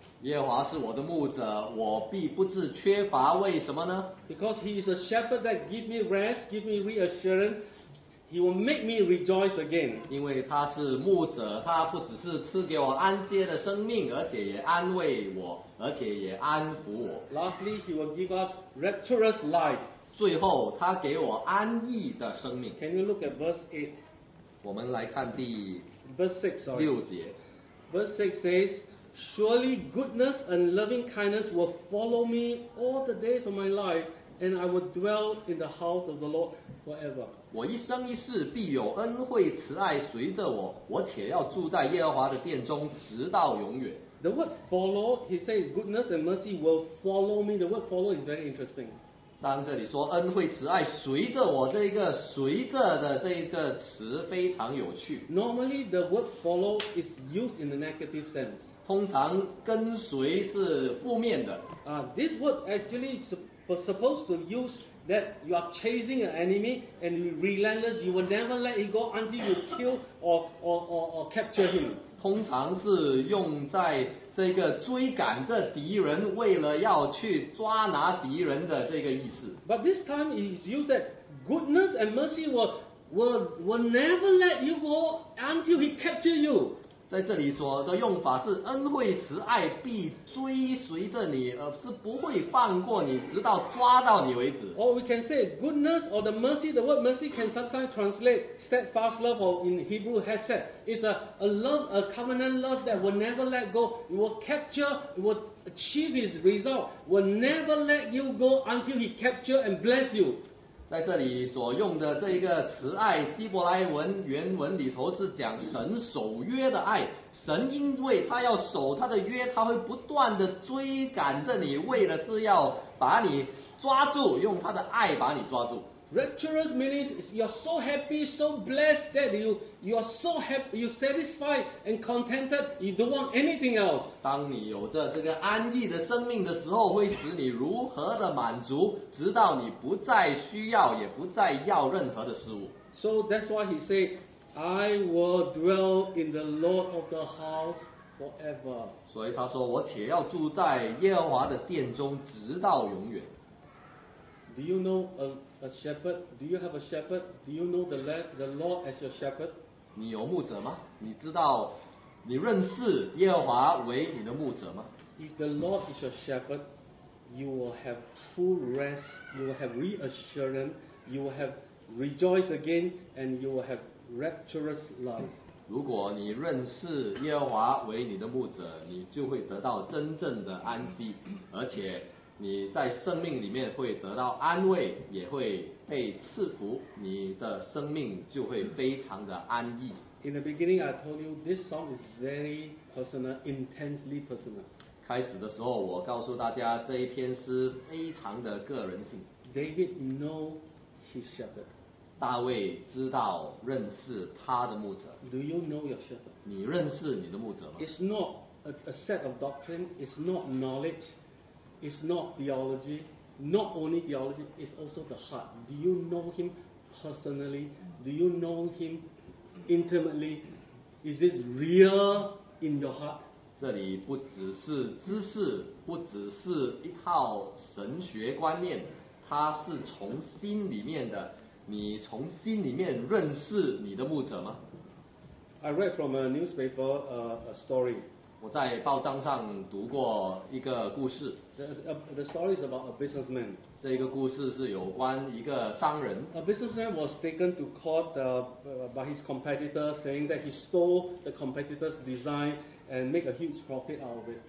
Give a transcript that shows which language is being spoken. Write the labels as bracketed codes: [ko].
[zh] 耶和华是我的牧者，我必不致缺乏，为什么呢？ [en] Because he is a shepherd that give me rest, give me reassurance, he will make me rejoice again. [zh] 因为他是牧者，他不只是赐给我安歇的生命，而且也安慰我，而且也安抚我。 [en] Lastly, he will give us rapturous life. [zh] 最后他给我安逸的生命。 [en] Can you look at verse 8? [zh] 我们来看第六节。 [en] Verse 6 says, Surely goodness and loving kindness will follow me all the days of my life, and I will dwell in the house of the Lord forever. [zh] 我一生一世必有恩惠慈爱随着我，我且要住在耶和华的殿中直到永远。 [en] The word follow, he says goodness and mercy will follow me. The word follow is very interesting. [zh] 当这里说恩惠慈爱随着我，这个随着的这个词非常有趣。 [en] Normally the word follow is used in a negative sense. [zh] 通常跟随是负面的。 [en] This word actually is supposed to use that you are chasing an enemy and you relentless, you will never let it go until you kill or capture him. [zh] 通常是用在这个追赶着敌人，为了要去抓拿敌人的这个意思。 [en] But this time it's used that goodness and mercy will never let you go until he captures you. [zh] 在这里说的用法是恩惠慈爱必追随着你，而是不会放过你，直到抓到你为止。 [en] Or we can say goodness or the mercy. The word mercy can sometimes translate steadfast love or in Hebrew hesed. It's a love, a covenant love that will never let go. It will capture, it will achieve its result. Will never let you go until he capture and bless you. [zh] 在这里所用的这个慈爱，希伯来文原文里头是讲神守约的爱，神因为他要守他的约，他会不断的追赶着你，为的是要把你抓住，用他的爱把你抓住。 [en] Rapturous meaning you're so happy, so blessed that you're so happy, you're satisfied and contented, you don't want anything else. [zh] 当你有着这个安逸的生命的时候，会使你如何的满足，直到你不再需要，也不再要任何的事物。 [en] So that's why he said, I will dwell in the Lord of the house forever. [zh] 所以他说，我且要住在耶和华的殿中直到永远。 [en] Do you know a shepherd? Do you have a shepherd? Do you know the Lord as your shepherd? [zh] 你有牧者吗？你知道，你认识耶和华为你的牧者吗？ [en] If the Lord is your shepherd, you will have true rest, you will have reassurance, you will have rejoice again, and you will have rapturous life. [zh] 如果你认识耶和华为你的牧者，你就会得到真正的安息，而且。你在生命里面会得到安慰，也会被赐福，你的生命就会非常的安逸。 [en] In the beginning, I told you this song is very personal, intensely personal. [zh] 开始的时候，我告诉大家这一篇诗非常的个人性。 [en] David know his shepherd. [zh] 大卫知道认识他的牧者。 [en] Do you know your shepherd? [zh] 你认识你的牧者吗 [en] ？It's not a set of doctrine. It's not knowledge. It's not theology, not only theology, it's also the heart. Do you know him personally? Do you know him intimately? Is this real in your heart? [zh] 这里不只是知识，不只是一套神学观念，它是从心里面的。你从心里面认识你的牧者吗？ [en] I read from a newspaper a story. [zh] 我在报章上读过一个故事。 [en] The story is about a businessman. [zh] 这个故事是有关一个商人。 [en] A businessman was taken to court by his competitor, saying that he stole the competitor's design and make a huge profit out of it.